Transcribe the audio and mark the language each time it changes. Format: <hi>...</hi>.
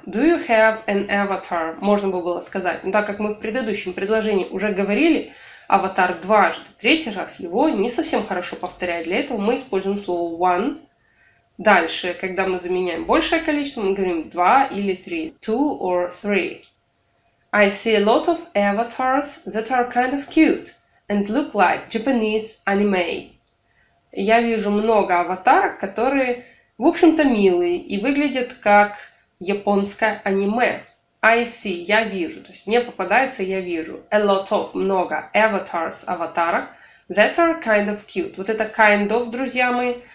<en>Do you have an avatar?</en> <ru>Можно было сказать. Но так как мы в предыдущем предложении уже говорили avatar дважды, третий раз его не совсем хорошо повторять. Для этого мы используем слово one. Дальше, когда мы заменяем большее количество, мы говорим два или три.</ru> <en>Two or three. I see a lot of avatars that are kind of cute and look like Japanese anime.</en> <ru>Я вижу много аватарок, которые, в общем-то, милые и выглядят как японское аниме.</ru> <en>I see,</en> <ru>я вижу, то есть мне попадается, я вижу.</ru> <en>A lot of, много avatars, аватарок, that are kind of cute.</en> <ru>Вот это kind of, друзья мои.</ru>